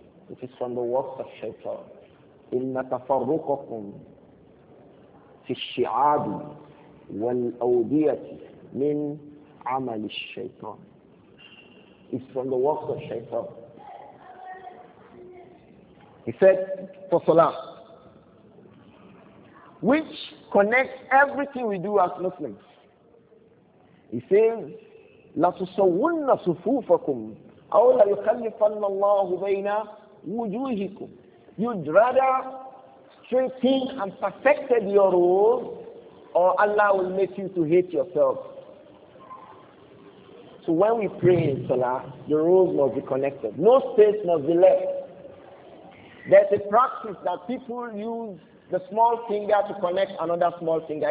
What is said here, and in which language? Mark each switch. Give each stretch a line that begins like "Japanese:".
English: it is from the works of
Arabic: الشيطان إن تفرقكم في الشعاب وَالْأَوْدِيَةِ مِنْ عَمَلِ الشَّيْطَانِ
English: It's from the works of shaitan. He said, for salah, which connects everything we do as Muslims. He says,
Arabic: لَتُصَوُّنَّ صُفُوفَكُمْ أَوْ لَيُخَلِّفَنَّ اللَّهُ بَيْنَ وُجُوهِكُمْ
English: You'd rather strengthen and perfected your role, or Allah will make you to hate yourself. So when we pray in Salah, the roles must be connected. No space must be left. There's a practice that people use the small finger to connect another small finger.